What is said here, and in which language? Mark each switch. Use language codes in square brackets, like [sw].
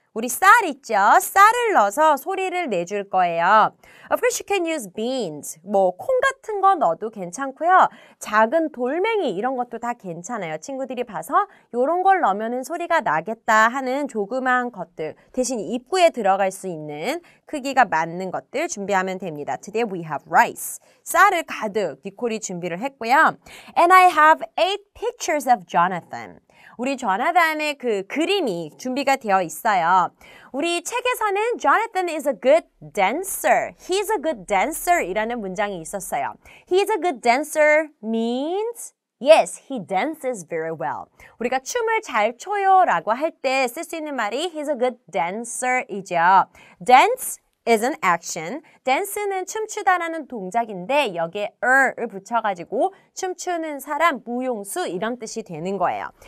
[ko] 우리 쌀 있죠? 쌀을 넣어서 소리를 내줄 거예요. [en] Of course, you can use beans. [ko] 뭐 콩 같은 거 넣어도 괜찮고요. 작은 돌멩이 이런 것도 다 괜찮아요. 친구들이 봐서 이런 걸 넣으면 소리가 나겠다 하는 조그마한 것들 대신 입구에 들어갈 수 있는 크기가 맞는 것들 준비하면 됩니다. [en] Today we have rice. [ko] 쌀을 가득 니콜이 준비를 했고요. [en] And I have 8 pictures of Jonathan. [ko] 우리 조나단의 그 그림이 준비가 되어 있어요. 우리 책에서는 [en] Jonathan is a good dancer. He's a good dancer [ko] 이라는 문장이 있었어요. [en] He's a good dancer means yes, he dances very well. [ko] 우리가 춤을 잘 춰요 라고 할 때 쓸 수 있는 말이 [en] he's a good dancer [ko] 이죠. [en] Dance is an action. [ko] Dance는 춤추다라는 동작인데 여기에 er을 붙여가지고 춤추는 사람, 무용수 이런 뜻이 되는 거예요.